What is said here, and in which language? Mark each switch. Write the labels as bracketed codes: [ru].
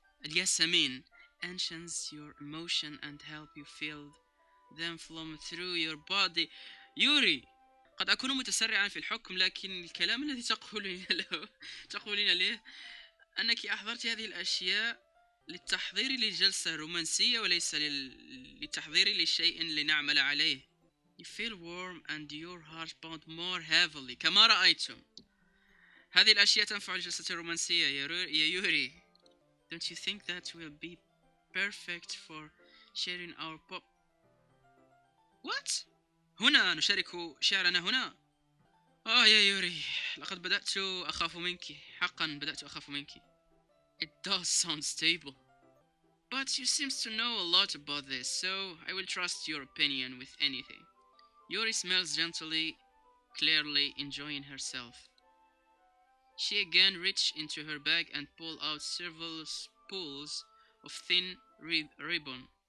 [en] Jasmine enhances your emotion and help you feel them flow through your body. Yuri! [ar] قد أكون متسرعا في الحكم لكن الكلام الذي تقولين له أنك أحضرت هذه الأشياء للتحضير لجلسة رومانسية وليس للتحضير لشيء لنعمل عليه. [en] You feel warm and your heart pound more heavily. [ar] كما رأيتم هذه الأشياء تنفع الجلسة الرومانسية يا يوري. [en] Don't you think that will be perfect for sharing our pop? [ar] What? هنا نشارك شعرنا هنا. آه يا يوري لقد بدأت أخاف منك. حقا بدأت أخاف منك. [en] It does sound stable, but you seem to know a lot about this, so I will trust your opinion with anything. Yuri smells gently, clearly enjoying herself. She again reached into her bag and pulled out several spools of thin ribbon.